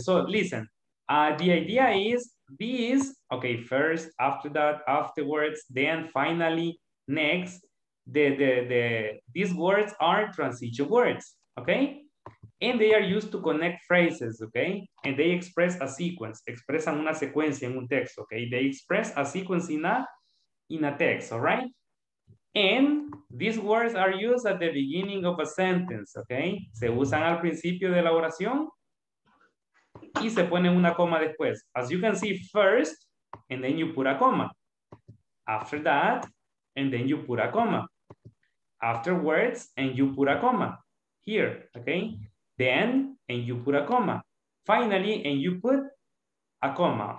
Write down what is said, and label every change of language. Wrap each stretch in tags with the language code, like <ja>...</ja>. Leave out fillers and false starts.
<en>So listen, the idea is this, okay, first, after that, afterwards, then finally, next, the these words are transition words, okay? And they are used to connect phrases, okay? And they express a sequence,</en> <es>expresan una secuencia en un texto,</es> <en>okay? They express a sequence in a text, all right? And these words are used at the beginning of a sentence, okay?</en> <es>Se usan al principio de la oración y se pone una coma después.</es> <en>As you can see, first, and then you put a coma. After that, and then you put a coma. Afterwards, and you put a coma. Here, okay? Then, and you put a coma. Finally, and you put a coma.</en>